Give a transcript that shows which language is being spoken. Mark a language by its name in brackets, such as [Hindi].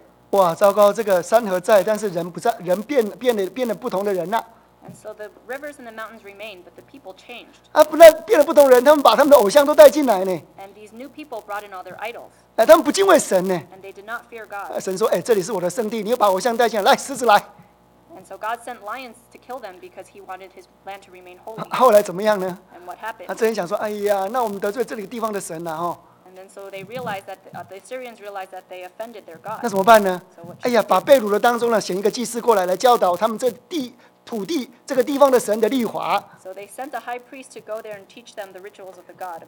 [Chinese] 哇，糟糕，这个山河在，但是人不在，人变得不同的人了。 [English] And so the rivers and the mountains remained, but the people changed. [Chinese] 啊，不，那变了不同人，他们把他们的偶像都带进来呢。 [English] And these new people brought in all their idols. [Chinese] 哎，他们不敬畏神呢。 [English] And they did not fear God. [Chinese] 啊，神说，哎，这里是我的圣地，你又把偶像带进来，来，狮子来。 [English] And so God sent lions to kill them because he wanted his land to remain holy. [Chinese] 后来怎么样呢？ [English] And what happened? [Chinese] 他真想说，哎呀，那我们得罪这个地方的神了，哈。 [English] And so they realized that the Assyrians realized that they offended their God. [Chinese] 那怎么办呢？ [English] So what? [Chinese] 哎呀，把被掳的当中呢，选一个祭司过来，来教导他们这地。土地这个地方的神的律法。 [English] So they sent a high priest to go there and teach them the rituals of the God.